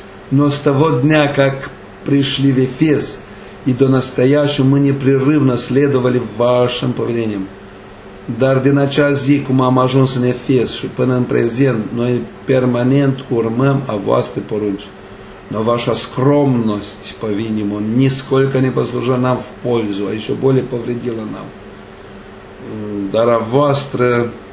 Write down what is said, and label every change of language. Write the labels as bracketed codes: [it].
[ru] Но с того дня, как пришли в Ефес, и до настоящего мы непрерывно следовали вашим повелениям. [ro] Dar din acea zi, cum am ajuns în Efes și până în prezent, noi permanent urmăm a voastre porunci. [ru] Но ваша скромность, по-видимому, нисколько не послужила нам в пользу, а еще более повредила нам. [ro] Dar a voastră